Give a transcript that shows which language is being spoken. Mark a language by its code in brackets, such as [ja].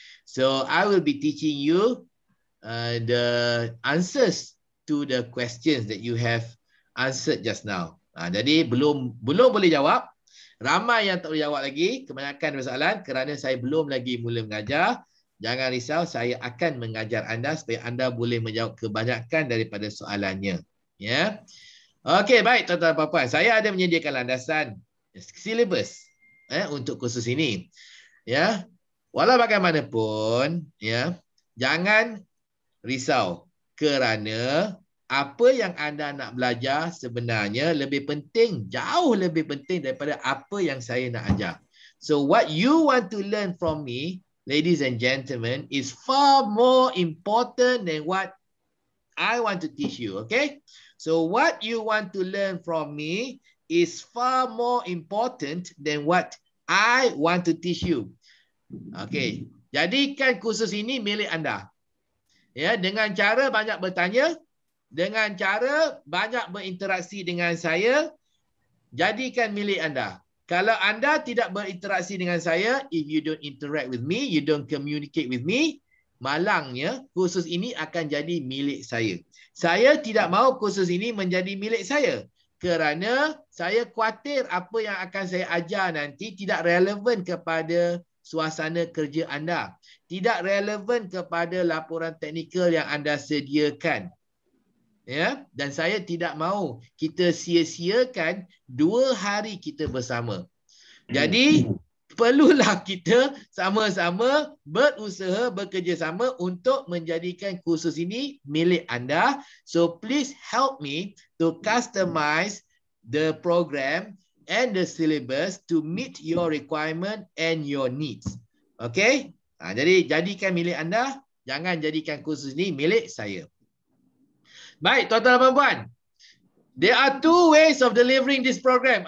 [en] So I will be teaching you the answers to the questions that you have answered just now. [ms] Jadi belum boleh jawab. Ramai yang tak boleh jawab lagi kebanyakan persoalan kerana saya belum lagi mula mengajar. Jangan risau, saya akan mengajar anda supaya anda boleh menjawab kebanyakan daripada soalannya. Ya. Yeah? Okey, baik tuan-tuan dan puan-puan. Saya ada menyediakan landasan syllabus untuk kursus ini. Ya. Yeah? Walau bagaimanapun, ya, yeah, jangan risau. Kerana apa yang anda nak belajar sebenarnya lebih penting, jauh lebih penting daripada apa yang saya nak ajar. [en] So what you want to learn from me, ladies and gentlemen, is far more important than what I want to teach you, okay? So what you want to learn from me is far more important than what I want to teach you. [ms] Okay, jadikan kursus ini milik anda. Ya, dengan cara banyak bertanya, dengan cara banyak berinteraksi dengan saya, jadikan milik anda. Kalau anda tidak berinteraksi dengan saya, [en] if you don't interact with me, [ms] you don't communicate with me, malangnya kursus ini akan jadi milik saya. Saya tidak mahu kursus ini menjadi milik saya kerana saya khawatir apa yang akan saya ajar nanti tidak relevan kepada suasana kerja anda. Tidak relevan kepada laporan teknikal yang anda sediakan. Ya, dan saya tidak mahu kita sia-siakan 2 hari kita bersama. Jadi perlulah kita sama-sama berusaha bekerjasama untuk menjadikan kursus ini milik anda. [en] So please help me to customize the program and the syllabus to meet your requirement and your needs. [ms] Okay? Ha, jadi jadikan milik anda, jangan jadikan kursus ini milik saya. Baik, tuan-tuan dan puan-puan. [en] There are 2 ways of delivering this program.